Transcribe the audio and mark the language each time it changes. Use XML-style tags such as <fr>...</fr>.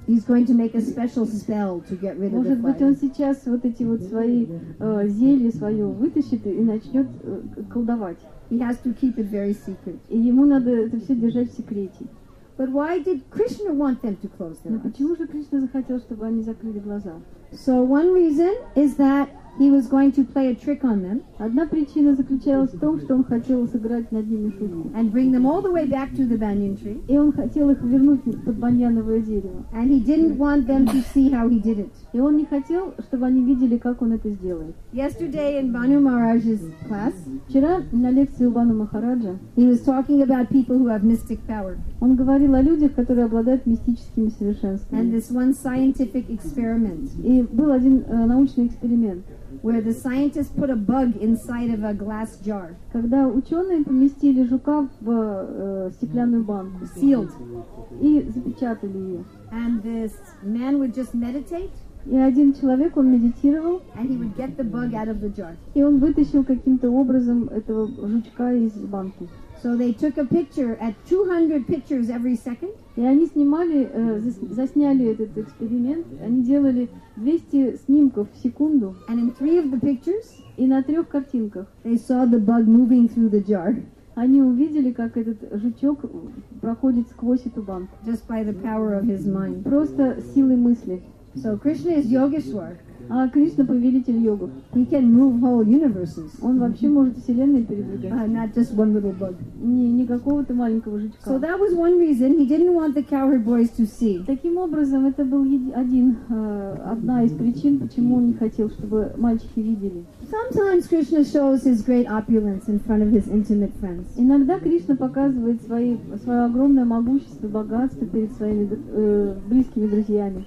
<en>He's going to make a special spell to get rid of.</en> <ru>Может быть, он сейчас вот эти вот свои зелья свое вытащит и начнет колдовать.</ru> <en>He has to keep it very secret.</en> <ru>И ему надо это все держать в секрете.</ru> <en>But why did Krishna want them to close their eyes?</en> <ru>Но почему же Кришна захотел, чтобы они закрыли глаза?</ru> <en>So one reason is that he was going to play a trick on them.</en> <ru>Одна причина заключалась в том, что он хотел сыграть над ними шутку.</ru> <en>And bring them all the way back to the banyan tree.</en> <ru>И он хотел их вернуть под баньяновое дерево.</ru> <en>And he didn't want them to see how he did it.</en> <ru>И он не хотел, чтобы они видели, как он это сделает.</ru> <en>Yesterday in Banu Maharaj's class,</en> <ru>вчера на лекции у Бану Махараджа,</ru> <en>he was talking about people who have mystic power.</en> <ru>Он говорил о людях, которые обладают мистическими совершенствами.</ru> <en>And this one scientific experiment.</en> <ru>И был один научный эксперимент.</ru> <en>Where the scientists put a bug inside of a glass jar.</en> <ru>Когда ученые поместили жука в стеклянную банку.</ru> <en>Sealed.</en> <ru>И запечатали ее.</ru> <en>And this man would just meditate.</en> <ru>И один человек, он медитировал.</ru> <en>And he would get the bug out of the jar.</en> <ru>И он вытащил каким-то образом этого жучка из банки.</ru> <en>So they took a picture at 200 pictures every second.</en> <ru>И они снимали, засняли этот эксперимент. Они делали 200 снимков в секунду.</ru> <en>And in three of the pictures,</en> <ru>и на трех картинках,</ru> <en>they saw the bug moving through the jar.</en> <ru>Они увидели, как этот жучок проходит сквозь эту банку.</ru> <en>Just by the power of his mind.</en> <ru>Просто силой мысли.</ru> <en>So Krishna is Yogeshwar.</en> <ru>А Кришна повелитель йогов.</ru> <en>He can move whole universes.</en> <ru>Он вообще может вселенные передвигать.</ru> <en>Not just one little bug.</en> <ru>Не какого-то маленького жучка.</ru> <en>So that was one reason he didn't want the cowherd boys to see.</en> <ru>Таким образом, это был одна из причин, почему он не хотел, чтобы мальчики видели.</ru> <en>Sometimes Krishna shows his great opulence in front of his intimate friends.</en> <ru>Иногда Кришна показывает свое огромное могущество, богатство перед своими близкими друзьями.</ru>